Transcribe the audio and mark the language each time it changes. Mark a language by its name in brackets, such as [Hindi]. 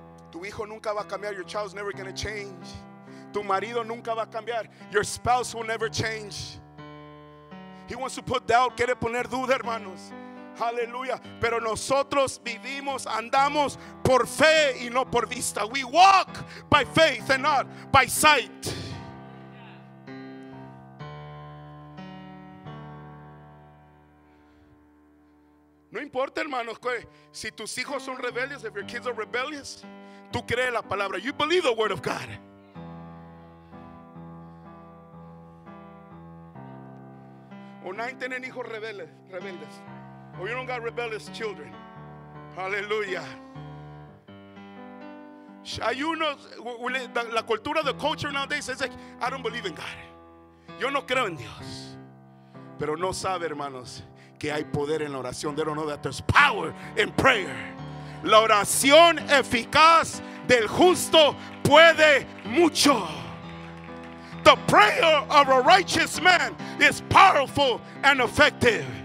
[Spanish] Tu hijo nunca va a cambiar. [English] Your child's never going to change. [Spanish] Tu marido nunca va a cambiar. [English] Your spouse will never change. He wants to put doubt. [Spanish] Quiere poner duda, hermanos. Hallelujah. Pero nosotros vivimos, andamos por fe y no por vista. [English] We walk by faith and not by sight. [Spanish] No importa, hermanos, si tus hijos son rebeldes, [English] if your kids are rebellious, [Spanish] tú crees la palabra. [English] You believe the word of God. [Spanish] O nadie tiene hijos rebeldes. O [English] you don't got rebellious children. [Spanish] Hallelujah. Hay unos, la cultura, [English] the culture nowadays is like, I don't believe in God. [Spanish] Yo no creo en Dios. Pero no sabe, hermanos, que hay poder en la oración. [English] They don't know that there's power in prayer. [Spanish] La oración eficaz del justo puede mucho. [English] The prayer of a righteous man is powerful and effective.